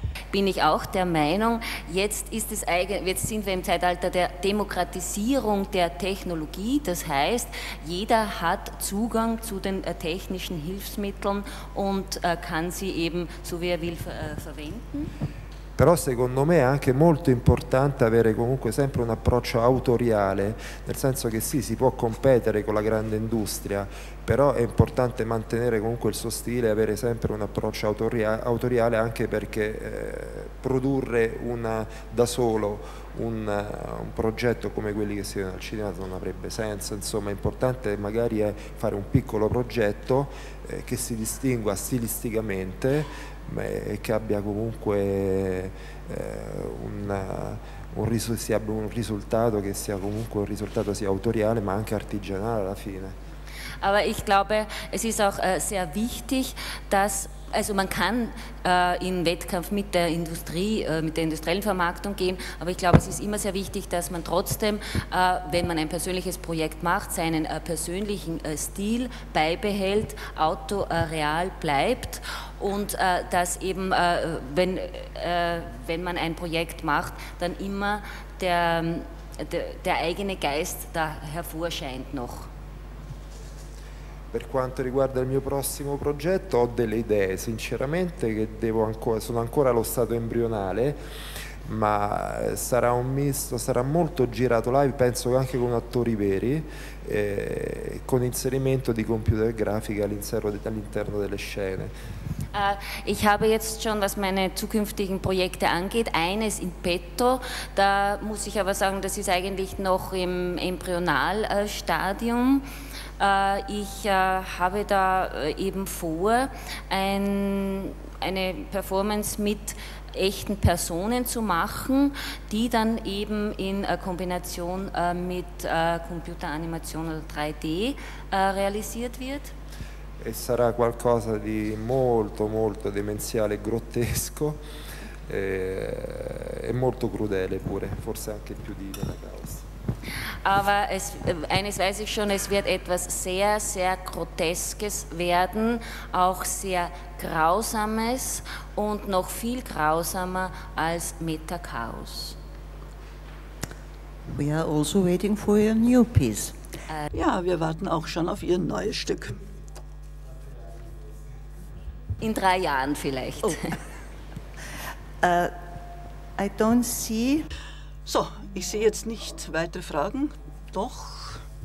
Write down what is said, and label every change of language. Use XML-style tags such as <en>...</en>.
<de>Bin ich auch der Meinung, jetzt sind wir im Zeitalter der Demokratisierung der Technologie, das heißt, jeder hat Zugang zu den technischen Hilfsmitteln und kann sie eben so wie er will verwenden.</de> <it>Però secondo me è anche molto importante avere comunque sempre un approccio autoriale, nel senso che sì, si può competere con la grande industria, però è importante mantenere comunque il suo stile e avere sempre un approccio autoriale anche perché produrre da solo un progetto come quelli che si vedono al cinema non avrebbe senso. Insomma, è importante magari fare un piccolo progetto che si distingua stilisticamente e che abbia comunque un risultato che sia comunque un risultato sia autoriale ma anche artigianale alla fine.</it> <de>Aber ich glaube, es ist auch sehr wichtig, dass also man kann in Wettkampf mit der Industrie, mit der industriellen Vermarktung gehen, aber ich glaube, es ist immer sehr wichtig, dass man trotzdem, wenn man ein persönliches Projekt macht, seinen persönlichen Stil beibehält, autoreal bleibt und dass eben, wenn man ein Projekt macht, dann immer der eigene Geist da hervorscheint noch.</de> <it>Per quanto riguarda il mio prossimo progetto ho delle idee, sinceramente, che sono ancora allo stato embrionale, ma sarà un misto, sarà molto girato live, penso anche con attori veri, con inserimento di computer grafica all'interno delle scene.</it> <de>Ich habe jetzt schon, was meine zukünftigen Projekte angeht, eines in petto. Da muss ich aber sagen, das ist eigentlich noch im Embryonalstadium. Ich habe da eben vor, eine Performance mit echten Personen zu machen, die dann eben in Kombination mit Computeranimation oder 3D realisiert wird.</de> <it>e sarà qualcosa di molto molto demenziale, grottesco e molto crudele pure, forse anche più di Dana Gauss.</it> <de>Aber es, eines weiß ich schon, es wird etwas sehr, sehr Groteskes werden, auch sehr Grausames und noch viel grausamer als Metachaos.</de> <en>We are also waiting for your new piece.</en> <de>Ja, wir warten auch schon auf Ihr neues Stück. In 3 Jahren vielleicht. Oh.</de> <en>I don't see...</en> <de>So, ich sehe jetzt nicht weitere Fragen. Doch.</de>